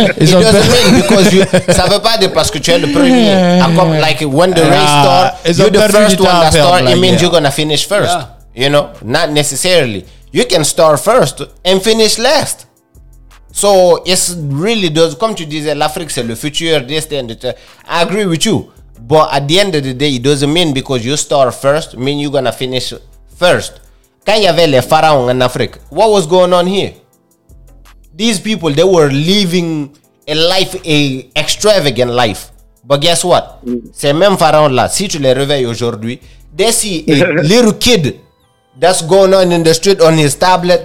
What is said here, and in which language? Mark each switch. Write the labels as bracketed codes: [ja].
[fr] Ça veut pas dire parce que tu es le premier. [en] Like when the race starts, you're the first one that starts. It means you're gonna finish first. Yeah. You know, not necessarily. You can start first and finish last. So it's really does. [fr] Comme tu disais, l'Afrique c'est le futur, destiné. [en] I agree with you. But at the end of the day, it doesn't mean because you start first, mean you're going to finish first. [fr] Quand il y avait les pharaons en Afrique, [en] what was going on here? These people, they were living a life, a extravagant life. But guess what? [fr] Ces mêmes pharaons-là, si tu les réveilles aujourd'hui, [en] they see a little kid that's going on in the street on his tablet.